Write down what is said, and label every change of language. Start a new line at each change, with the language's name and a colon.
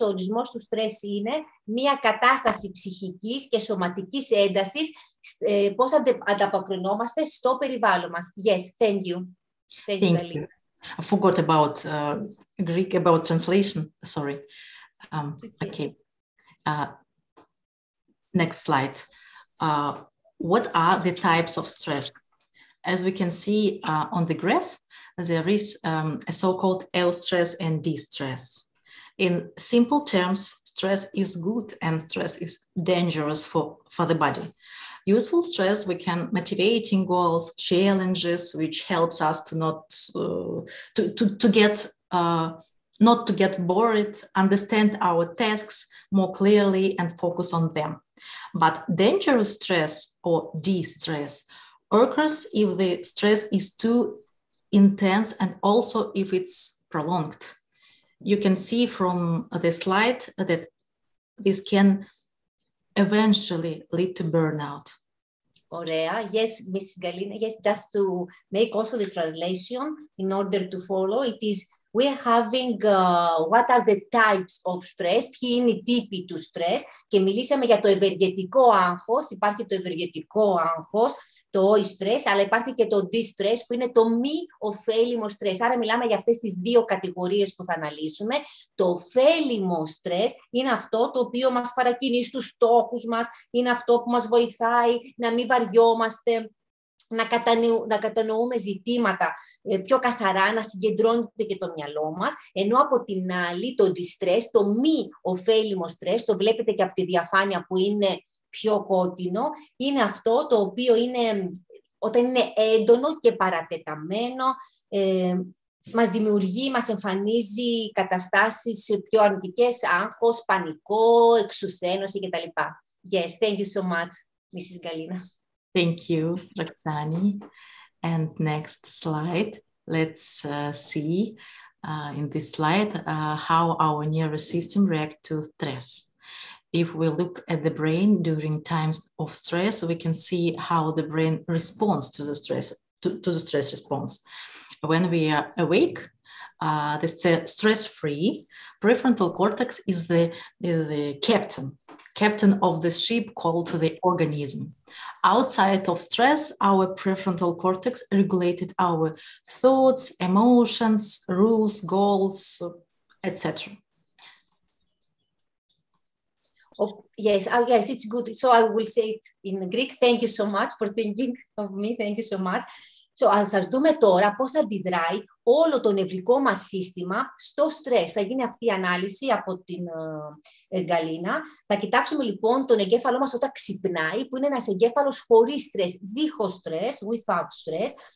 Greek: Ο ορισμός του στρες είναι μια κατάσταση ψυχικής και σωματικής έντασης, πώς ανταποκρινόμαστε στο περιβάλλον μας.
English: Yes, thank you. Thank you. I forgot about Greek, about translation. Sorry. Okay. Next slide. What are the types of stress? As we can see on the graph, there is a so-called eustress and distress. In simple terms, stress is good and stress is dangerous for the body. Useful stress, we can motivate in goals, challenges, which helps us to not to get bored, understand our tasks more clearly and focus on them. But dangerous stress or distress occurs if the stress is too intense and also if it's prolonged. You can see from the slide that this can eventually lead to burnout. Ωραία. Yes, Ms.
Greek: Galina, yes, just to make also the translation in order to follow, it is we are having what are the types of stress, ποιοι είναι οι τύποι του stress, και μιλήσαμε για το ευεργετικό άγχος, υπάρχει το ευεργετικό άγχος, το όι stress, αλλά υπάρχει και το distress που είναι το μη ωφέλιμο stress. Άρα μιλάμε για αυτές τις δύο κατηγορίες που θα αναλύσουμε. Το ωφέλιμο stress είναι αυτό το οποίο μας παρακινεί στους στόχους μας, είναι αυτό που μας βοηθάει να μην βαριόμαστε, να κατανοούμε ζητήματα πιο καθαρά, να συγκεντρώνεται και το μυαλό μας, ενώ από την άλλη το distress, το μη ωφέλιμο stress, το βλέπετε και από τη διαφάνεια που είναι πιο κόκκινο, είναι αυτό το οποίο είναι, όταν είναι έντονο και παρατεταμένο, μας δημιουργεί, μας εμφανίζει καταστάσεις πιο αρνητικές, άγχος, πανικό, εξουθένωση κτλ.
English: Yes, thank you so much, Mrs. Galina. Thank you, Roxane. And next slide, let's see in this slide how our nervous system reacts to stress. If we look at the brain during times of stress, we can see how the brain responds to the stress, to the stress response. When we are awake, the stress-free prefrontal cortex is the captain of the ship called the organism. Outside of stress, our prefrontal cortex regulated our thoughts, emotions, rules, goals, etc. Oh, yes, yes, it's good. So I will say it in Greek. Thank you so much for thinking of me. Thank you so much.
Greek: So, ας σας δούμε τώρα πώς αντιδράει όλο το νευρικό μας σύστημα στο στρες. Θα γίνει αυτή η ανάλυση από την Γκαλίνα. Θα κοιτάξουμε λοιπόν τον εγκέφαλό μας όταν ξυπνάει, που είναι ένας εγκέφαλος χωρίς στρες, δίχως στρες, without stress.